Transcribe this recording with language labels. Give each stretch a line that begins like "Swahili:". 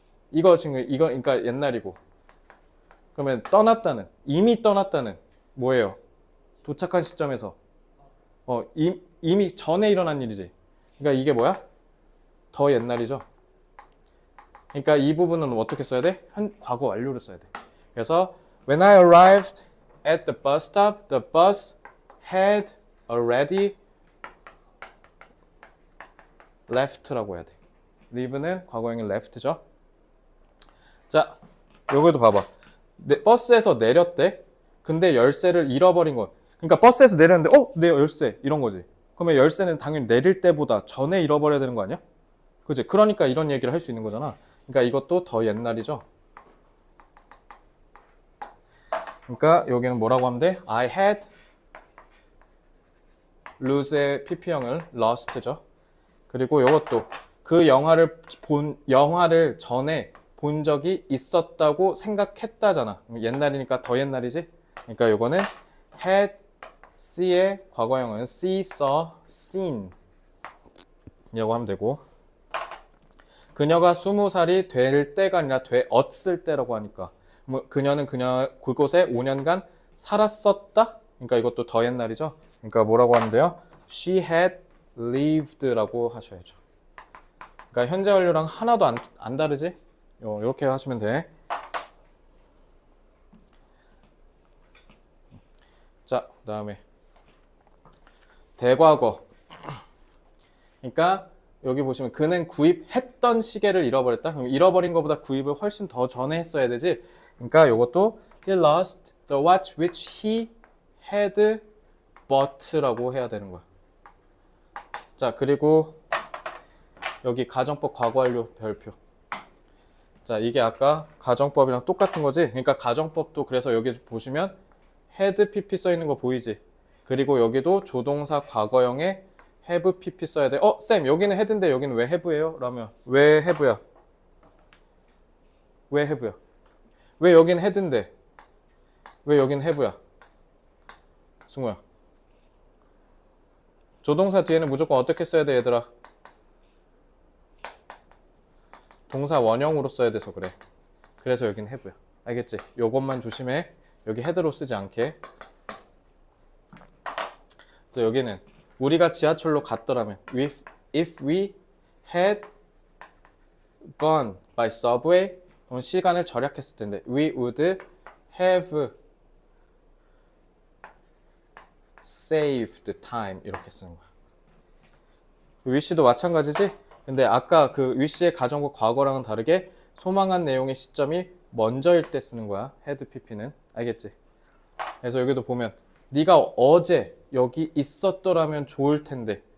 Korean: 이거 지금, 이거, 그러니까 옛날이고. 그러면 떠났다는, 이미 떠났다는, 뭐예요? 도착한 시점에서. 이미 전에 일어난 일이지. 그러니까 이게 뭐야? 더 옛날이죠. 그러니까 이 부분은 어떻게 써야 돼? 과거 완료를 써야 돼. 그래서
English: when I arrived at the bus stop, the bus had already left라고
Korean: 해야 돼. leave는 과거형인 left죠. 자, 여기도 봐봐. 버스에서 내렸대. 근데 열쇠를 잃어버린 거. 그러니까 버스에서 내렸는데, 내 열쇠 이런 거지. 그러면 열쇠는 당연히 내릴 때보다 전에 잃어버려야 되는 거 아니야? 그지? 그러니까 이런 얘기를 할수 있는 거잖아. 그러니까 이것도 더 옛날이죠. 그러니까 여기는 뭐라고 하면 돼?
English: I had
Korean: lose의 PP형을 lost죠. 그리고 이것도 그 영화를 전에 본 적이 있었다고 생각했다잖아. 옛날이니까 더 옛날이지? 그러니까 요거는 had, see의 과거형은 see, saw, seen 이라고 하면 되고, 그녀가 20살이 될 때가 아니라 되었을 때라고 하니까, 뭐 그녀는 그곳에 5년간 살았었다? 그러니까 이것도 더 옛날이죠? 그러니까 뭐라고 하는데요?
English: She had lived라고
Korean: 하셔야죠. 그러니까 현재 완료랑 하나도 안 다르지? 이렇게 하시면 돼. 자, 그 다음에 대과거. 그러니까 여기 보시면 그는 구입했던 시계를 잃어버렸다. 그럼 잃어버린 것보다 구입을 훨씬 더 전에 했어야 되지. 그러니까 이것도
English: he lost the watch which he had bought라고
Korean: 해야 되는 거야. 자, 그리고 여기 가정법 과거완료 별표. 자, 이게 아까 가정법이랑 똑같은 거지. 그러니까 가정법도 그래서 여기 보시면 had pp 써 있는 거 보이지? 그리고 여기도 조동사 과거형에 have pp 써야 돼. 어, 쌤, 여기는 had인데 여기는 왜 have예요? 라면 왜 have야? 왜 have야? 왜 여긴 head인데? 왜 여긴 have야? 승우야. 조동사 뒤에는 무조건 어떻게 써야 돼, 얘들아? 동사 원형으로 써야 돼서 그래. 그래서 여긴 have야. 알겠지? 요것만 조심해. 여기 head로 쓰지 않게. 그래서 여기는 우리가 지하철로 갔더라면,
English: if we had gone by subway,
Korean: 그럼 시간을 절약했을 텐데,
English: we would have saved time.
Korean: 이렇게 쓰는 거야. wish도 마찬가지지? 근데 아까 그 wish의 가정법 과거랑은 다르게 소망한 내용의 시점이 먼저일 때 쓰는 거야. had pp는. 알겠지? 그래서 여기도 보면, 네가 어제 여기 있었더라면 좋을 텐데.